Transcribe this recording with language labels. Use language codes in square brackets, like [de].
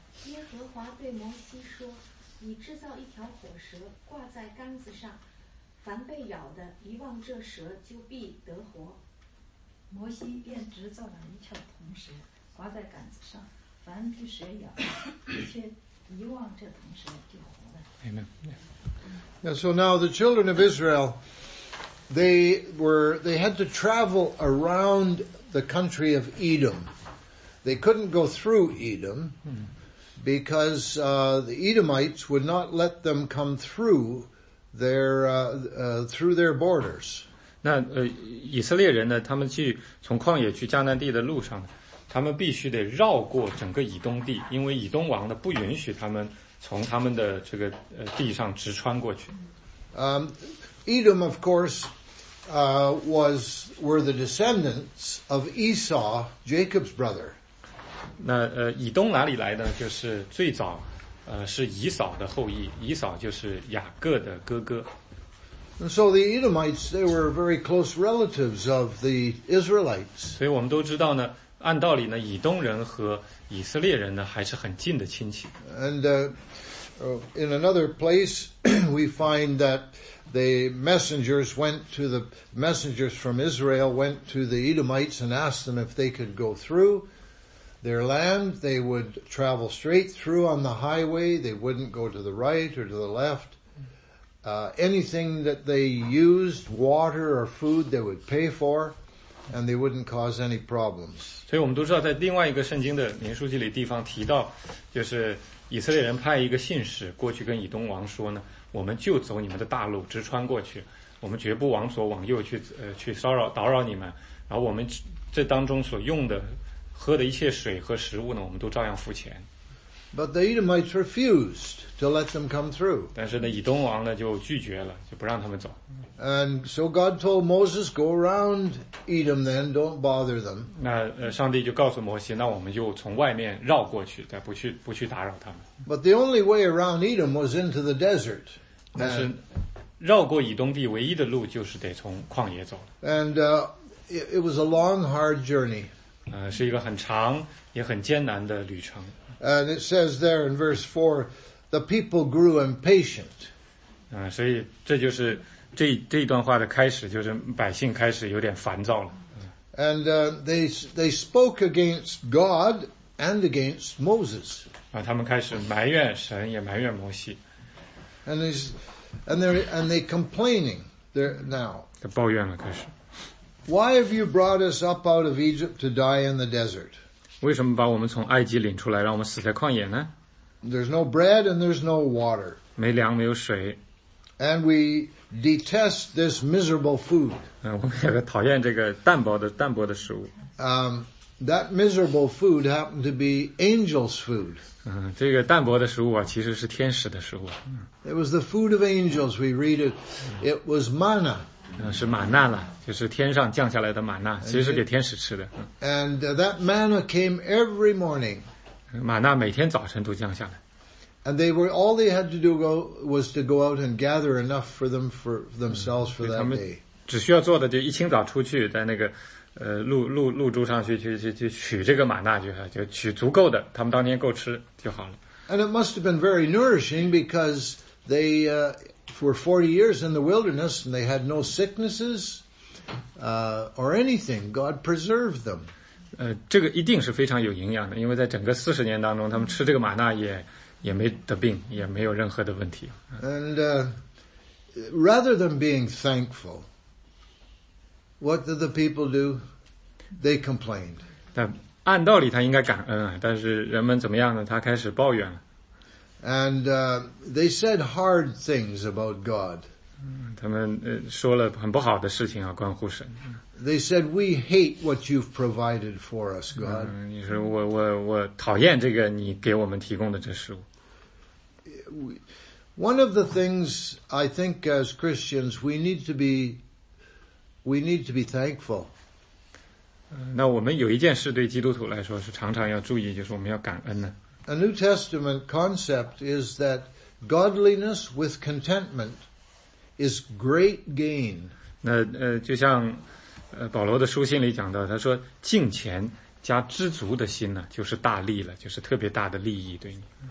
[zh] 耶和华对摩西说：“你制造一条火蛇，挂在杆子上，凡被咬的，一望这蛇就必得活。” 摩西便制造了一条铜蛇，挂在杆子上，凡被蛇咬的，却一望这铜蛇就活了。 [en] Amen. Yeah. So now the children of Israel. They had to travel around the country of Edom. They couldn't go through Edom because the Edomites would not let them come through their borders. [zh] 那以色列人呢？他们去从旷野去迦南地的路上，他们必须得绕过整个以东地，因为以东王呢不允许他们从他们的这个地上直穿过去。 [en] Edom, of course. Were the descendants of Esau, Jacob's brother. [zh] 那以东哪里来的？就是最早，是以扫的后裔。以扫就是雅各的哥哥。 [en] And so the Edomites, they were very close relatives of the Israelites. [zh] 所以我们都知道呢，按道理呢，以东人和以色列人呢还是很近的亲戚。 [en] And in another place, we find that. The messengers went to the messengers from Israel went to the Edomites and asked them if they could go through their land. They would travel straight through on the highway. They wouldn't go to the right or to the left. Anything that they used, water or food, they would pay for, and they wouldn't cause any problems. [zh] 所以我们都知道，在另外一个圣经的民数记里地方提到，就是以色列人派一个信使过去跟以东王说呢。我们就走你们的大路，直穿过去。我们绝不往左往右去骚扰打扰你们。然后我们这当中所用的、喝的一切水和食物呢，我们都照样付钱。 [en] But the Edomites refused to let them come through. [zh] 但是呢，以东王呢就拒绝了，就不让他们走。 [en] And so God told Moses, "Go around Edom, then don't bother them." [zh] 那上帝就告诉摩西，那我们就从外面绕过去，再不去打扰他们。 [en] But the only way around Edom was into the desert. [zh] 但是绕过以东地唯一的路就是得从旷野走。 [en] And it was a long, hard journey. [zh] 是一个很长也很艰难的旅程。 [en] And it says there in verse 4, the people grew impatient. [zh] 所以这就是这一段话的开始就是百姓开始有点烦躁了。 [en] And they spoke against God and against Moses. [zh] 啊，他们开始埋怨神，也埋怨摩西。 [en] And they complaining there now. [zh] 他抱怨了，开始。 [en] Why have you brought us up out of Egypt to die in the desert? [zh] 为什么把我们从埃及领出来，让我们死在旷野呢？ [en] There's no bread and there's no water. [zh] 没粮，没有水。 [en] And we detest this miserable food. [zh] 我们也讨厌这个淡薄的食物。 [en] That miserable food happened to be angels' food. [zh] 这个淡薄的食物啊，其实是天使的食物。 [en] It was the food of angels. We read it. It was manna. [zh] 是玛纳了，就是天上降下来的玛纳，其实是给天使吃的。 [en] And that manna came every morning. [zh] 玛纳每天早晨都降下来。 [en] And they were, all they had to do was to go out and gather enough for them for themselves for that day. [zh] 只需要做的就一清早出去，在那个露珠上去取这个玛纳，就取足够的，他们当天够吃就好了。 [en] And it must have been very nourishing because they were 40 years in the wilderness and they had no sicknesses or anything. God preserved them. [zh] 这个一定是非常有营养的，因为在整个四十年当中，他们吃这个玛纳也。也没得病，也没有任何的问题。 [en] And rather than being thankful, what did the people do? They complained. [zh] 但按道理他应该感恩啊，但是人们怎么样呢？他开始抱怨了。 [en] And they said hard things about God. [zh] 他们说了很不好的事情啊，关乎神。 [en] They said, "We hate what you've provided for us, God." [zh] 你说我讨厌这个你给我们提供的这食物。 [en] One of the things I think as Christians we need to be thankful. [zh] 那我们有一件事对基督徒来说是常常要注意，就是我们要感恩的。 [en] A New Testament concept is that godliness with contentment is great gain. [zh] 那就像保罗的书信里讲到，他说敬虔加知足的心呢，就是大利了，就是特别大的利益对你。